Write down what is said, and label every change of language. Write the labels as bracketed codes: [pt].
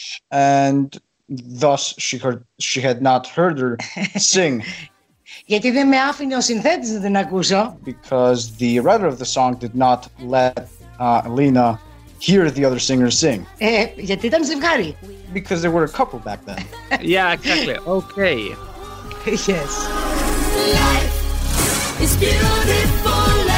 [en] And thus she had not heard her sing. [el] Γιατί δεν με άφηνε ο συνθέτης να την ακούσω. [en] Because the writer of the song did not let Lena hear the other singer sing. [el] Γιατί ήταν ζευγάρι. [en] Because they were a couple back then. Yeah, exactly. Okay. Yes. Life is beautiful.